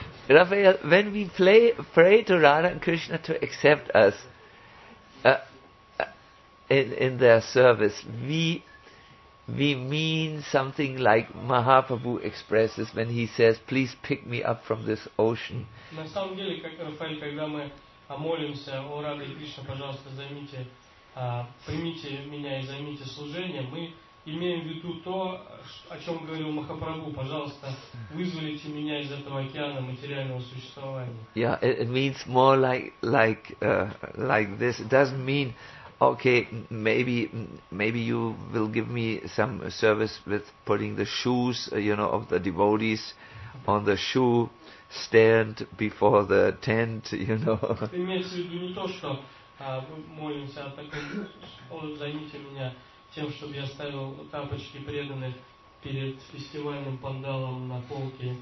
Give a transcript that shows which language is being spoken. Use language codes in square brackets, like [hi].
[en] Raphael, when we pray to Radha and Krishna to accept us, In their service, we mean something like Mahaprabhu expresses when he says, "Please pick me up from this ocean." [ru] На самом деле, как Рафаэль, когда мы молимся о Раде Кришне, пожалуйста, займите, примите меня и займите служение, мы имеем в виду то, о чем говорил Махапрабху, пожалуйста, вызволите меня из этого океана материального существования. [en] Yeah, it means more like this. It doesn't mean. Okay, maybe you will give me some service with putting the shoes, you know, of the devotees on the shoe stand before the tent, you know. [ru] Имеется в виду не то, что мы молимся, а так вот займите меня тем, чтобы я ставил тапочки преданных перед фестивальным пандалом на полке.